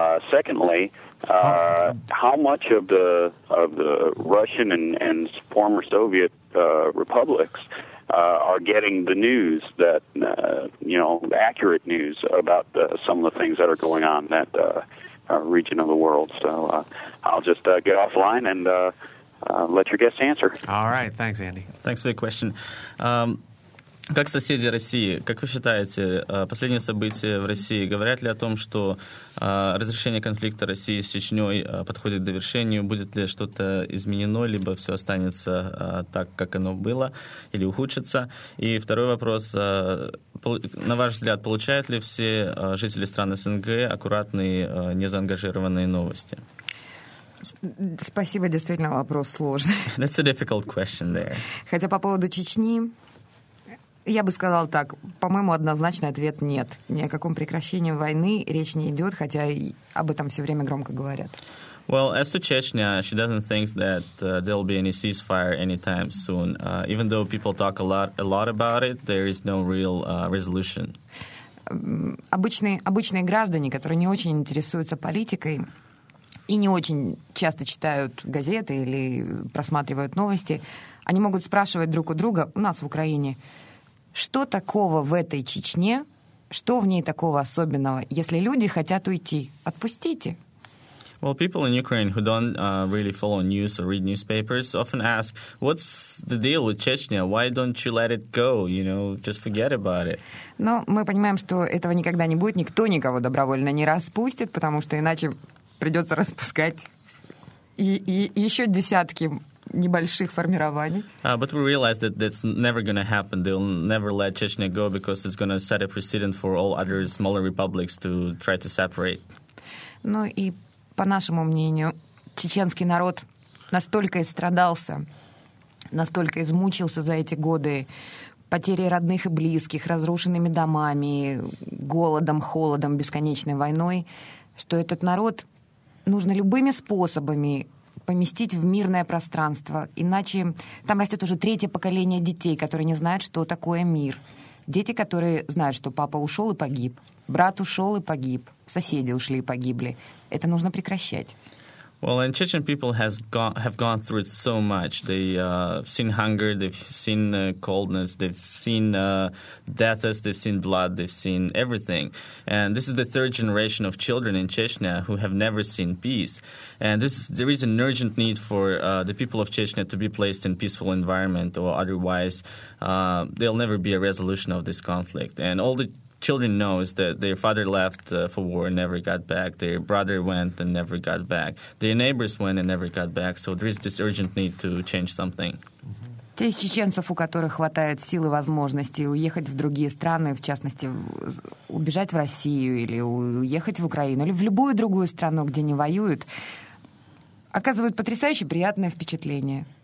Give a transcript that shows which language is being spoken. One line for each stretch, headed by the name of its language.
English: Secondly, how much of the Russian and former Soviet republics are getting the news that, accurate news about some of the things that are going on in that region of the world. So I'll just get offline and let your guests answer. All right. Thanks, Andy. Thanks for the question.
Russian: Как соседи России, как вы считаете, последние события в России говорят ли о том, что разрешение конфликта России с Чечнёй подходит к довершению? Будет ли что-то изменено, либо все останется так, как оно было, или ухудшится? И второй вопрос. На ваш взгляд, получают ли все жители стран СНГ аккуратные, незаангажированные новости? Спасибо, действительно, вопрос сложный.
English: That's a difficult question there.
Russian: Хотя по поводу Чечни, я бы сказала так, по-моему, однозначный ответ нет. Ни о каком прекращении войны речь не идет, хотя об этом все время громко говорят.
English: Well, as to Chechnya, she doesn't think that there will be any ceasefire anytime soon. Even though people talk a lot about it, there is no real resolution.
Russian: Обычные граждане, которые не очень интересуются политикой и не очень часто читают газеты или просматривают новости, они могут спрашивать друг у друга, у нас в Украине, что такого в этой Чечне, что в ней такого особенного, если люди хотят уйти, отпустите.
English: Well, people in Ukraine who don't really follow news or read newspapers often ask, what's the deal with Chechnya? Why don't you let it go? You know, just forget about it.
Russian: Но мы понимаем, что этого никогда не будет. Никто никого добровольно не распустит, потому что иначе придется распускать еще десятки небольших формирований.
English: But we realize that that's never going to happen. They'll never let Chechnya go because it's going to set a precedent for all other smaller republics to try to separate.
Russian: Ну и по нашему мнению, чеченский народ настолько истрадался, настолько измучился за эти годы потерей родных и близких, разрушенными домами, голодом, холодом, бесконечной войной, что этот народ нужно любыми способами поместить в мирное пространство. Иначе там растет уже третье поколение детей, которые не знают, что такое мир. Дети, которые знают, что папа ушел и погиб, брат ушел и погиб, соседи ушли и погибли. Это нужно прекращать.
English: Well, and Chechen people have gone through it so much. They've seen hunger, they've seen coldness, they've seen deaths, they've seen blood, they've seen everything. And this is the third generation of children in Chechnya who have never seen peace. And there is an urgent need for the people of Chechnya to be placed in peaceful environment, or otherwise there'll never be a resolution of this conflict. And all the children know is that their father left for war and never got back. Their brother went and never got back. Their neighbors went and never got back. So there is this urgent need to change something.
Russian: Те из чеченцев, у которых хватает сил и возможностей уехать в другие страны, в частности, убежать в Россию или уехать в Украину, или в любую другую страну, где не воюют, оказывают потрясающе приятное впечатление.